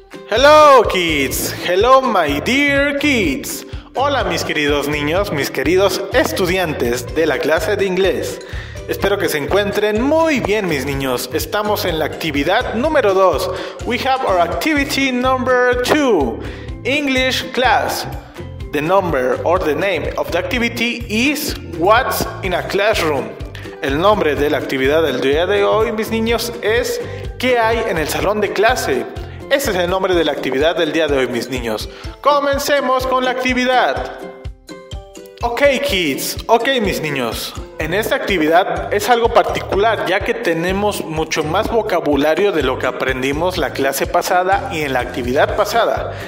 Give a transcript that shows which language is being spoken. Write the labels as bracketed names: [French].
[English] Hello kids, hello my dear kids. [Spanish] Hola mis queridos niños, mis queridos estudiantes de la clase de inglés. Espero que se encuentren muy bien mis niños. Estamos en la actividad número 2. [English] We have our activity number 2. English class. The number or the name of the activity is What's in a Classroom. [Spanish] El nombre de la actividad del día de hoy mis niños es ¿Qué hay en el salón de clase? Ese es el nombre de la actividad del día de hoy, mis niños. ¡Comencemos con la actividad! [English] Ok, kids. [Spanish] Ok, mis niños. En esta actividad es algo particular, ya que tenemos mucho más vocabulario de lo que aprendimos la clase pasada y en la actividad pasada.